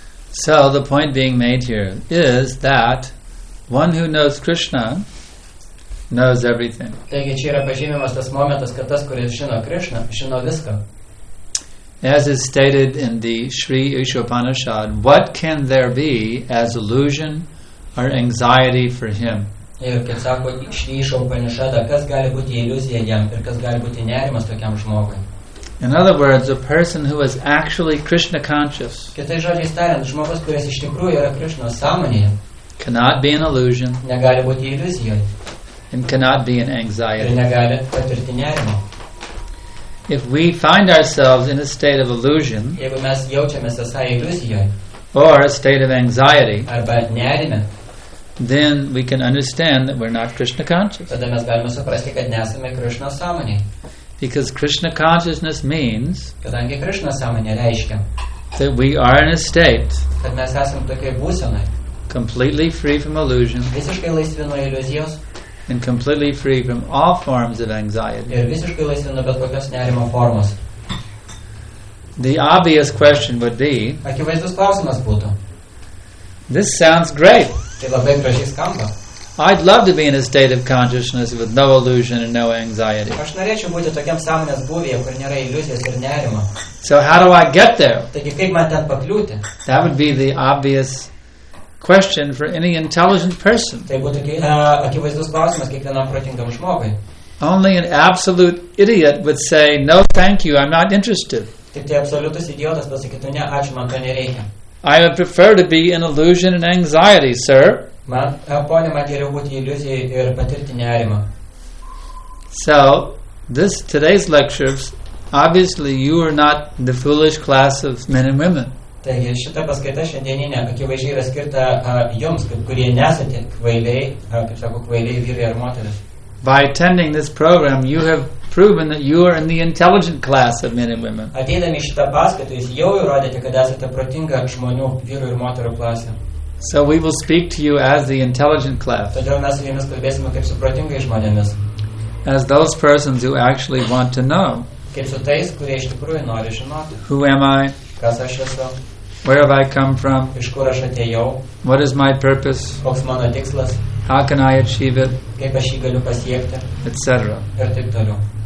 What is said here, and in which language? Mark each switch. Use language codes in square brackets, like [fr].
[en] So, the point being made here is that one who knows Krishna knows everything. [lt] Taigi, čia yra pažymimas tas momentas, kad tas, kuris žino Krishna, žino viską. [en] As is stated in the Sri Upanishad, what can there be as illusion or anxiety for him? [lt] Ir kaip sako Sri Upanishada, kas gali būti iliuzija jam ir kas gali būti nerimas tokiam žmogui? [en] In other words, a person who is actually Krishna conscious. [lt] Kitais žodžiais tariant, žmogus, kuris iš tikrųjų yra Krishna sąmonėje, [en] cannot be an illusion. [lt] Negali būti iliuzijoje. [en] And cannot be an anxiety. [lt] Ir negali patirti nerimo. [en] If we find ourselves in a state of illusion, [lt] jeigu mes jaučiamės esai iliuzijoje, [en] or a state of anxiety, [lt] arba nerime, [en] then we can understand that we're not Krishna conscious. [lt] Tada mes galime suprasti, kad nesame Krishna sąmoniai. [en] Because Krishna consciousness means, [lt] kadangi Krishna sąmonė reiškia, [en] that we are in a state, [lt] kad mes esam tokioj būsenoj, [en] completely free from illusion, [lt] visiškai laisvi nuo iliuzijos, [en] and completely free from all forms of anxiety. [lt] Ir visiškai laisvi nuo bet kokios nerimo formos. [en] The obvious question would be, [lt] akivaizdus klausimas būtų, [en] this sounds great. [lt] Tai labai gražiai skamba. [en] I'd love to be in a state of consciousness with no illusion and no anxiety. [lt] Aš norėčiau būti tokiam sąmonės būvyje, kur nėra iliuzijos ir nerimo. [en] So how do I get there? [lt] Taigi kaip man ten pakliūti? [en] That would be the obvious question for any intelligent person. [lt] Tai būtų akivaizdus klausimas kiekvienam protingam žmogui. [en] Only an absolute idiot would say, no thank you, I'm not interested. [lt] Tik tai absoliutus idiotas pasakytų, ne, ačiū, man to nereikia. [en] I would prefer to be in illusion and anxiety, sir. [lt] Man, ponė, man geriau būti iliuzijai ir patirti nerimą. [en] So, today's lectures, obviously you are not the foolish class of men and women. [lt] Taigi, šita paskaita šiandieninė, akivaizdžiai yra skirta jums, kurie nesate kvailiai, kaip sako, kvailiai vyrai ar moteris. [en] By attending this program, you have proven that you are in the intelligent class of men and women. [lt] Ateidami šitą paskaitą, jūs jau įrodėte, kad esate protinga žmonių vyrų ir moterų klasė. [en] So we will speak to you as the intelligent class. [lt] Todėl mes su jumis kalbėsime kaip su protingais žmonėmis. [en] As those persons who actually want to know. [lt] Kaip su tais, kurie iš tikrųjų nori žinoti. [en] Who am I? [lt] Kas aš esu? [en] Where have I come from? [lt] Iš kur aš atėjau? [en] What is my purpose? [lt] Koks mano tikslas? [en] How can I achieve it? [lt] Kaip aš jį galiu pasiekti? [en] Etc. [lt] Ir taip toliau.